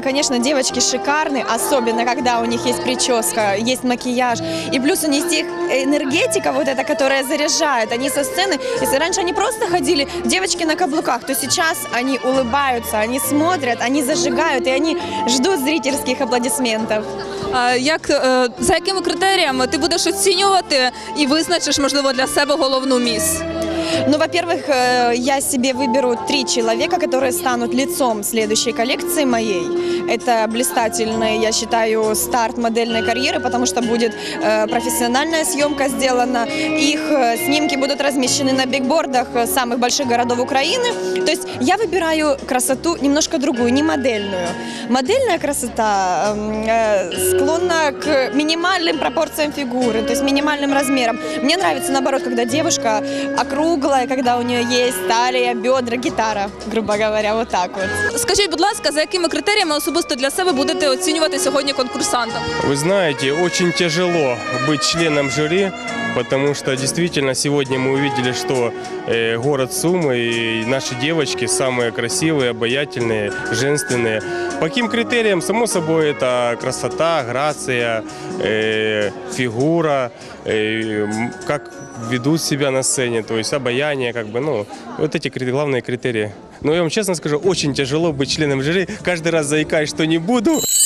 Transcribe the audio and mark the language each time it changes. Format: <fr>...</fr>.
<ru>Конечно, девочки шикарные, особенно когда у них есть прическа, есть макияж. И плюс у них есть энергетика вот эта, которая заряжает. Они со сцены, если раньше они просто ходили, девочки на каблуках, то сейчас они улыбаются, они смотрят, они зажигают, и они ждут зрительских аплодисментов.</ru> <uk>За якими критеріями ти будеш оцінювати і визначиш, можливо, для себе головну міс?</uk> <ru>Ну, во-первых, я себе выберу три человека, которые станут лицом следующей коллекции моей. Это блистательный, я считаю, старт модельной карьеры, потому что будет профессиональная съемка сделана. Их снимки будут размещены на бигбордах самых больших городов Украины. То есть я выбираю красоту немножко другую, не модельную. Модельная красота склонна к минимальным пропорциям фигуры, то есть минимальным размерам. Мне нравится, наоборот, когда девушка округлая, когда у нее есть талия, бедра, гитара, грубо говоря, вот так вот.</ru> <uk>Скажіть, будь ласка, за якими критеріями особисто для себе будете оцінювати сьогодні конкурсанта? Ви знаєте, дуже тяжело бути членом жюри, тому що дійсно сьогодні ми побачили, що город Суми і наші дівчатки</uk> <ru>самые красивые, обаятельные, женственные.</ru> <uk>По яким критеріям?</uk> <ru>Само собой, это красота, грація, фігура,</ru> <uk>як ведуть себе на сцені,</uk> <ru>то есть обаяние, как бы, ну, вот эти главные критерии. Ну, я вам честно скажу, очень тяжело быть членом жюри. Каждый раз заикаюсь, что не буду.</ru>